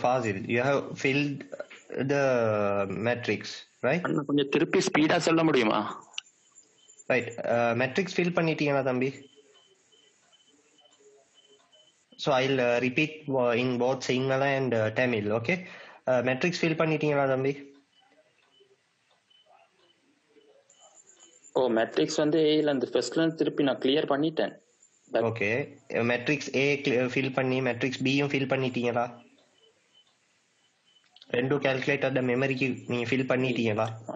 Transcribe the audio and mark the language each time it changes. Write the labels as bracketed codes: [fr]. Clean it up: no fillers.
[en] Fazil, you have filled the matrix, right? [ta] அண்ணா கொஞ்சம் திருப்பி speedo சொல்ல முடியுமா? Right, matrix fill பண்ணிட்டீங்களா தம்பி? [en] So I'll repeat in both Sinhala and Tamil, okay? [ta] Matrix fill பண்ணிட்டீங்களா தம்பி? ஓ மேட்ரிக்ஸ் வந்து ஏ இல்ல அந்த ஃபர்ஸ்ட் லைன் திருப்பி நான் கிளியர் பண்ணிட்டேன். ஓகே மேட்ரிக்ஸ் ஏ ஃபில் பண்ணி மேட்ரிக்ஸ் பியும் ஃபில் பண்ணிட்டீங்களா? ரெண்டு கால்குலேட்டர் அந்த மெமரிக்கு நீ ஃபில் பண்ணிட்டீங்களா?